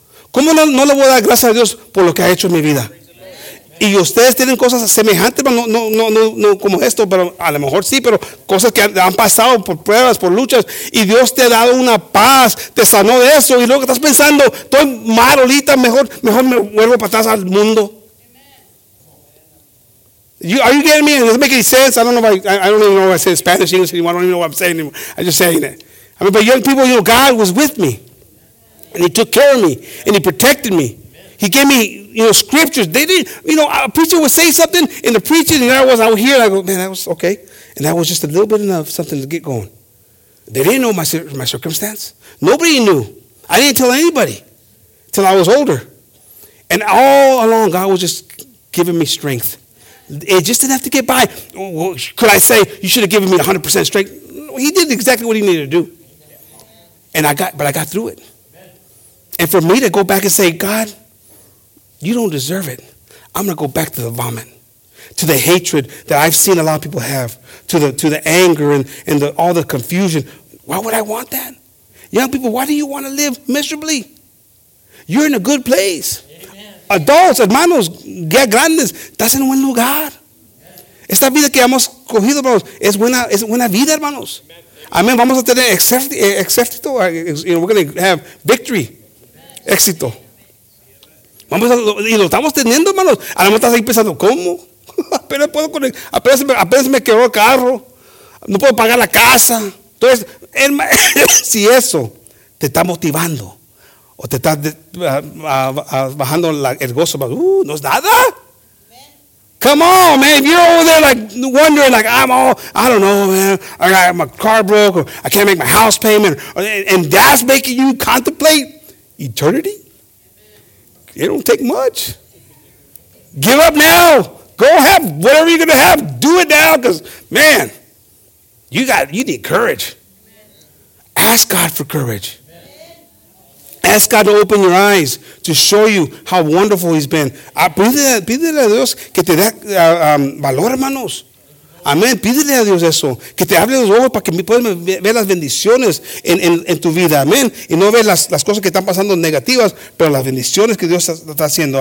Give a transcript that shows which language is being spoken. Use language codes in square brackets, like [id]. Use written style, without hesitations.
[es] ¿Cómo no le voy a dar gracias a Dios por lo que ha hecho en mi vida? Y ustedes tienen cosas semejantes, pero no como esto, pero a lo mejor sí, pero cosas que han pasado por pruebas, por luchas, y Dios te ha dado una paz, te sanó de eso, y luego estás pensando, estoy mal ahorita, mejor me vuelvo para atrás al mundo. [en] Are you getting me? Does it make any sense? I don't even know what I say in Spanish, English anymore. I don't even know what I'm saying anymore. I'm just saying it. I mean, but young people, you know, God was with me, and he took care of me, and he protected me. He gave me, you know, scriptures. They didn't, you know, a preacher would say something in the preaching, and I was here, and I go, man, that was okay. And that was just a little bit enough something to get going. They didn't know my circumstance. Nobody knew. I didn't tell anybody till I was older. And all along, God was just giving me strength. It just didn't have to get by. Could I say, you should have given me 100% strength? He did exactly what he needed to do. And I got through it. And for me to go back and say, God, you don't deserve it. I'm going to go back to the vomit, to the hatred that I've seen a lot of people have, to the anger and all the confusion. Why would I want that? Young people, why do you want to live miserably? You're in a good place. Amen. [es] Adults, hermanos, ya grandes, estás en buen lugar. Yes. Esta vida que hemos cogido, hermanos, es buena vida, hermanos. Amén. Vamos a tener éxito. [en] We're going to have victory. [es] Amen. Éxito. Vamos a, y lo estamos teniendo, hermanos. A lo mejor estás ahí pensando, ¿cómo? apenas me quebró el carro. No puedo pagar la casa. Entonces, si eso te está motivando o te está bajando el gozo, no es nada. [en] Come on, man. You're over there like wondering, like, I don't know, man. I got my car broke, or I can't make my house payment. And that's making you contemplate eternity? It don't take much. Give up now. Go have whatever you're going to have. Do it now because, man, you need courage. Ask God for courage. Ask God to open your eyes to show you how wonderful he's been. [es] Pídele a Dios que te dé valor, hermanos. Amén. Pídele a Dios eso. Que te abra los ojos para que puedas ver las bendiciones en tu vida. Amén. Y no ver las cosas que están pasando negativas, pero las bendiciones que Dios está haciendo.